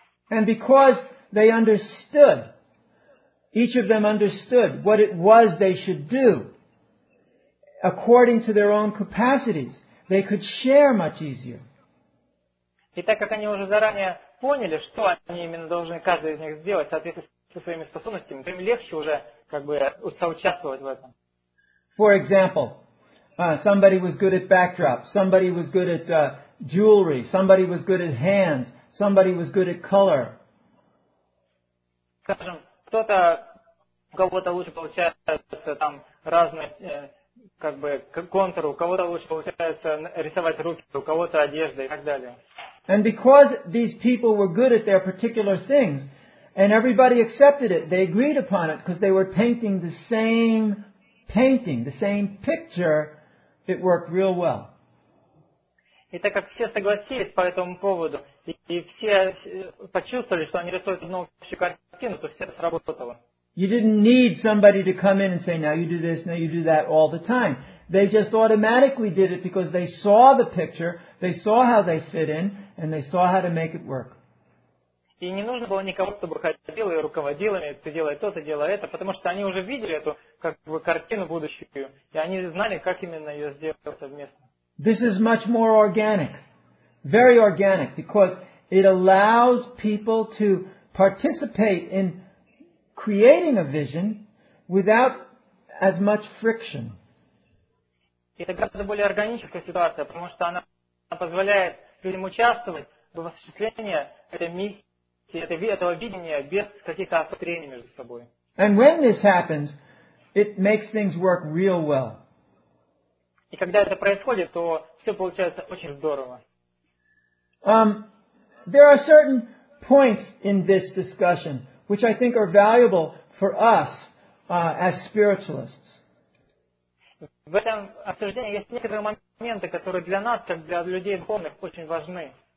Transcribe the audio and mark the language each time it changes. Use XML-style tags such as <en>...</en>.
<en>And because they understood, each of them understood what it was they should do, according to their own capacities, they could share much easier.</en> <ru>И так как они уже заранее поняли, что они именно должны каждый из них сделать в соответствии со своими способностями, то им легче уже соучаствовать в этом.</ru> <en>For example, somebody was good at backdrops, somebody was good at jewelry, somebody was good at hands, somebody was good at color.</en> <ru>Скажем, кто-то, у кого-то лучше получается там разные контуры, у кого-то лучше получается рисовать руки, у кого-то одежда и так далее.</ru> <en>And because these people were good at their particular things, and everybody accepted it, they agreed upon it, because they were painting the same painting, the same picture, it worked real well.</en> <ru>И так как все согласились по этому поводу, и все почувствовали, что они рисуют одну общую картину, то все сработало.</ru> <en>You didn't need somebody to come in and say, now you do this, now you do that all the time. They just automatically did it because they saw the picture, they saw how they fit in, and they saw how to make it work.</en> <ru>И не нужно было никого, чтобы ходил и руководил ими, ты делай то, ты делай это, потому что они уже видели эту картину будущую, и они знали, как именно ее сделать совместно.</ru> <en>This is much more organic, very organic, because it allows people to participate in creating a vision without as much friction.</en> <ru>Это гораздо более органическая ситуация, потому что она позволяет людям участвовать в осуществлении этой миссии. Этого видения без каких-то осуждений между собой.</ru> <en>And when this happens, it makes things work real well.</en> <ru>И когда это происходит, то все получается очень здорово.</ru> <en>There are certain points in this discussion which I think are valuable for us as spiritualists.</en> <ru>В этом осуждении есть некоторые моменты, которые для нас, как для людей духовных, очень важны.</ru>